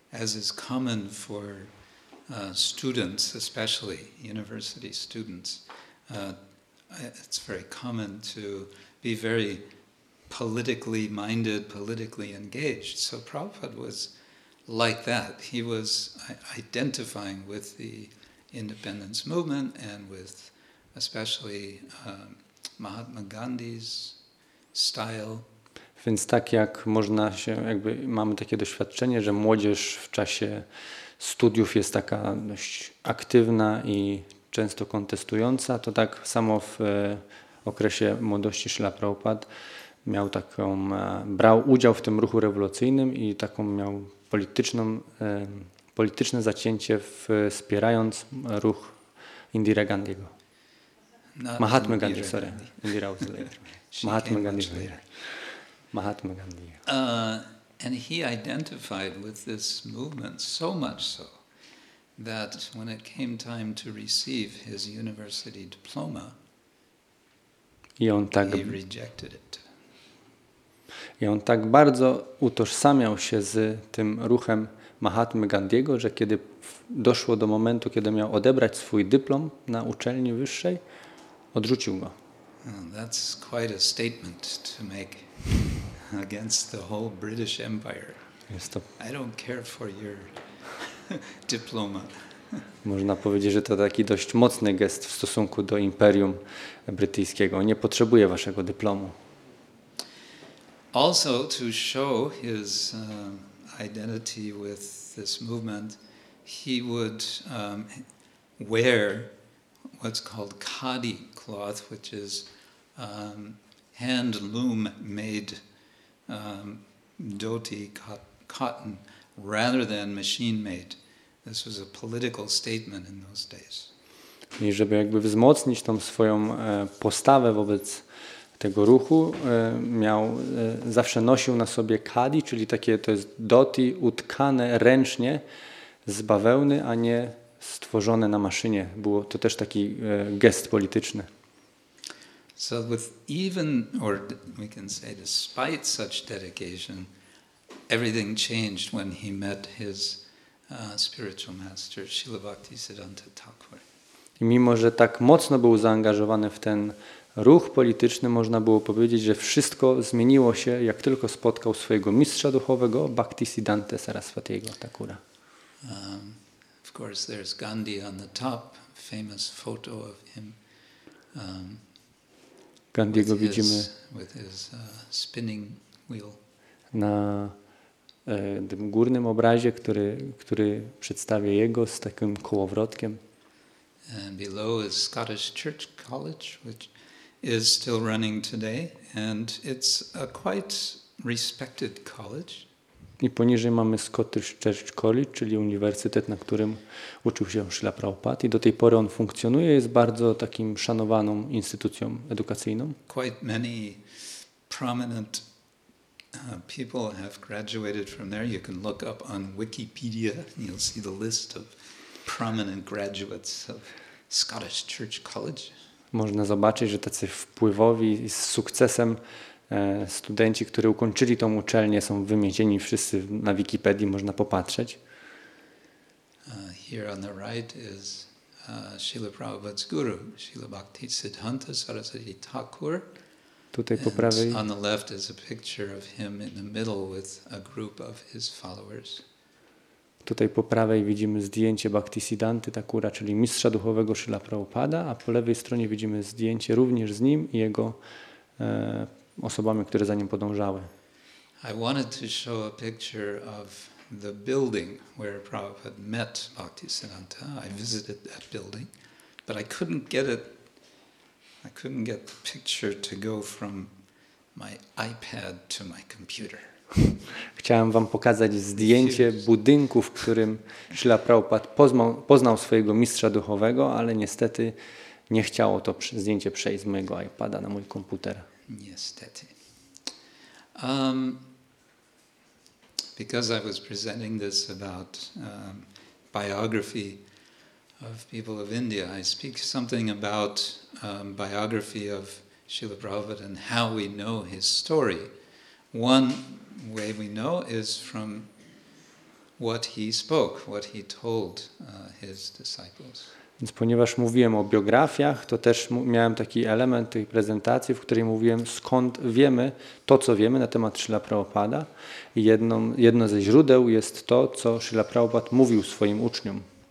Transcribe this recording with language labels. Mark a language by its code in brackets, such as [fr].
[en] And as is common for students, especially university students, it's very common to be very politically minded, politically engaged. So Prabhupada was like that. He was identifying with the independence movement and with especially Mahatma Gandhi's style. [pl] Więc tak jak można się, jakby mamy takie doświadczenie, że młodzież w czasie studiów jest taka dość aktywna i często kontestująca, to tak samo w okresie młodości Śrila Prabhupada miał taką, brał udział w tym ruchu rewolucyjnym i taką miał polityczną, polityczne zacięcie wspierając ruch Indira Gandhiego. [en] Mahatma Gandhi, sorry. Indira was later. Mahatma Gandhi. Mahatma Gandhi. And he identified with this movement so much so that when it came time to receive his university diploma, he rejected it. [pl] I on tak bardzo utożsamiał się z tym ruchem Mahatmy Gandhiego, że kiedy doszło do momentu, kiedy miał odebrać swój dyplom na uczelni wyższej, odrzucił go. [en] Well, that's quite a statement to make against the whole British Empire. [pl] Jest to... [en] I don't care for your diploma. [pl] Można powiedzieć, że to taki dość mocny gest w stosunku do Imperium Brytyjskiego. Nie potrzebuję waszego dyplomu. [en] Also to show his identity with this movement, he would wear what's called khadi cloth, which is hand loom made dhoti cotton rather than machine made. This was a political statement in those days. [pl] I żeby jakby wzmocnić tą swoją postawę wobec tego ruchu, miał, zawsze nosił na sobie khadi, czyli takie to jest dhoti utkane ręcznie z bawełny, a nie stworzone na maszynie. Było to też taki gest polityczny. [en] So with even, or we can say despite such dedication, everything changed when he met his spiritual master, Śrīla Bhaktisiddhānta Thakura. [pl] I mimo, że tak mocno był zaangażowany w ten ruch polityczny, można było powiedzieć, że wszystko zmieniło się, jak tylko spotkał swojego mistrza duchowego, Bhaktisiddhānta Sarasvatiego Thakura. [en] Of course, there's Gandhi on the top, famous photo of him. [pl] Gandhiego widzimy [en] with his spinning wheel. [pl] Na tym górnym obrazie, który przedstawia jego z takim kołowrotkiem. [en] And below is Scottish Church College, which is still running today, and it's a quite respected college. [pl] I poniżej mamy Scottish Church College, czyli uniwersytet, na którym uczył się Śrīla Prabhupada. I do tej pory on funkcjonuje, jest bardzo takim szanowaną instytucją edukacyjną. [en] Quite many prominent people have graduated from there. You can look up on Wikipedia, you'll see the list of prominent graduates of Scottish Church College. [pl] Można zobaczyć, że tacy wpływowi i z sukcesem studenci, którzy ukończyli tą uczelnię, są wymienieni wszyscy na Wikipedii, można popatrzeć. [en] Here on the right is Śrīla Prabhupada's guru, Śrīla Bhaktisiddhānta Sarasvati Thakur. [pl] Tutaj po prawej. [en] On the left is a picture of him in the middle with a group of his followers. [pl] Tutaj po prawej widzimy zdjęcie Bhaktisiddhānta Thakura, czyli mistrza duchowego Śrīla Prabhupada, a po lewej stronie widzimy zdjęcie również z nim i jego osobami, które za nim podążały. [en] I wanted to show a picture of the building where Prabhupada met Bhaktisiddhānta. I visited that building, but I couldn't get the picture to go from my iPad to my computer. [pl] Chciałem wam pokazać zdjęcie budynku, w którym Śrīla Prabhupada poznał swojego mistrza duchowego, ale niestety nie chciało to zdjęcie przejść z mojego iPada na mój komputer. Niestety. [en] Because I was presenting this about biography of people of India, I speak something about biography of Śrīla Prabhupada and how we know his story. One way we know is from what he spoke, what he told his disciples. [pl] Więc ponieważ mówiłem o biografiach, to też miałem taki element tej prezentacji, w której mówiłem, skąd wiemy to, co wiemy na temat Śrīla Prabhupada. I jedno ze źródeł jest to, co Śrīla Prabhupada mówił swoim uczniom.